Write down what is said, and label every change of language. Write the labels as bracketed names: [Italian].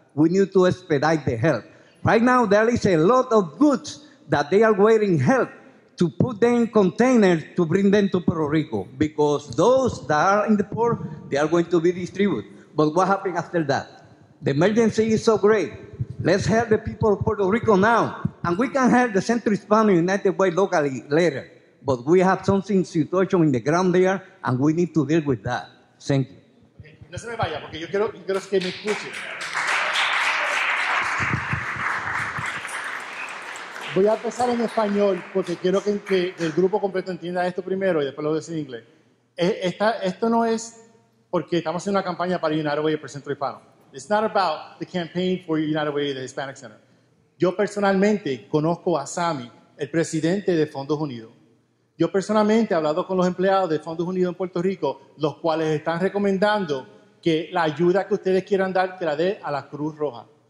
[English] We need to expedite the help. Right now, there is a lot of goods that they are waiting help to put them in containers to bring them to Puerto Rico, because those that are in the port, they are going to be distributed. But what happened after that? The emergency is so great. Let's help the people of Puerto Rico now. And we can help the Centro Hispano United Way locally later. But we have something situation in the ground there, and we need to deal with that. Thank you. [Spanish] No se me vaya, porque yo quiero, yo quiero que me escuche. Voy a empezar en español, porque quiero que el grupo completo entienda esto primero y después lo decir en inglés. Esta, esto no es porque estamos haciendo una campaña para United Way por Centro Hispano. [English] It's not about the campaign for United Way, the Hispanic Center. [Spanish] Yo personalmente conozco a Sammy, el presidente de Fondos Unidos. Yo personalmente he hablado con los empleados de Fondos Unidos en Puerto Rico, los cuales están recomendando que la ayuda que ustedes quieran dar, que la dé a la Cruz Roja.